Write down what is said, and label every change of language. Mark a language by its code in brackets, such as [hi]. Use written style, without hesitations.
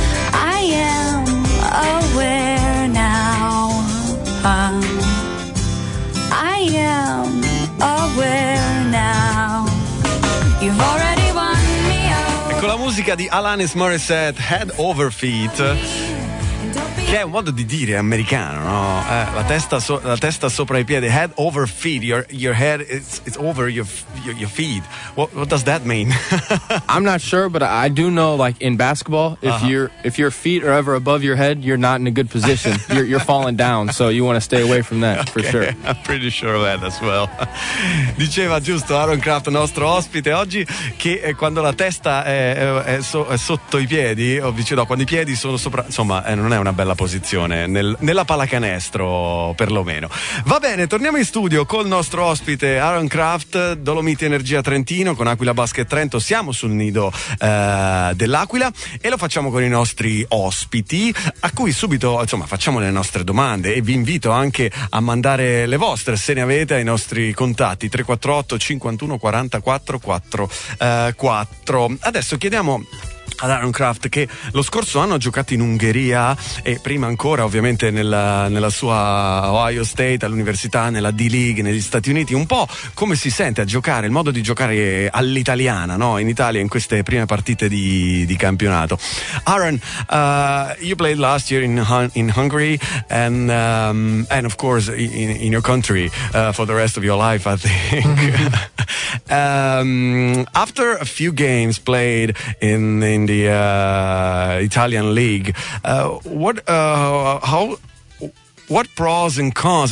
[en] I am aware now. I am aware now. You've already won me over. [it] Ecco la musica di Alanis Morissette, Head Over Feet. Che è un modo di dire americano, no? La testa sopra i piedi, [en] head over feet, your head it's over your feet. What does that mean? I'm not sure, but I do know, like in basketball, if your feet are ever above your head, you're not in a good position. You're falling down, so you want to stay away from that. for sure. I'm pretty sure of that as well. [it] Diceva giusto Aaron Kraft, nostro ospite oggi, che quando la testa è sotto i piedi, quando i piedi sono sopra, insomma, non è una bella posizione nella pallacanestro, perlomeno. Va bene, torniamo in studio col nostro ospite Aaron Kraft, Dolomiti Energia Trentino, con Aquila Basket Trento. Siamo sul nido dell'Aquila e lo facciamo con i nostri ospiti, a cui subito, insomma, facciamo le nostre domande, e vi invito anche a mandare le vostre, se ne avete, ai nostri contatti 348 51 44 44. Adesso chiediamo ad Aaron Kraft, che lo scorso anno ha giocato in Ungheria e prima ancora ovviamente nella sua Ohio State, all'università, nella D-League negli Stati Uniti, un po' come si sente a giocare, il modo di giocare all'italiana, no? In Italia, in queste prime partite di campionato. [en] Aaron, you played last year in Hungary and of course in your country for the rest of your life, I think. After a few games played in the Italian league, what pros and cons?